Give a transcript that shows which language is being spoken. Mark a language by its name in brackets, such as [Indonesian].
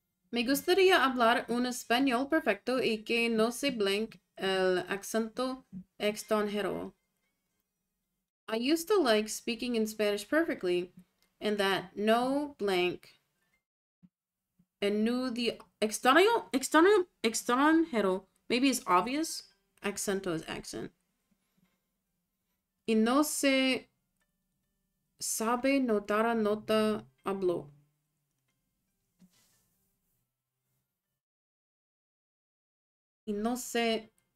[Spanish] Me gustaría hablar un español perfecto y que no se blank el acento extranjero. [English] I used to like speaking in Spanish perfectly and that no blank and knew the extranjero maybe is obvious. Acento is accent. [Spanish] Y no se sabe notar a nota habló. Y no se...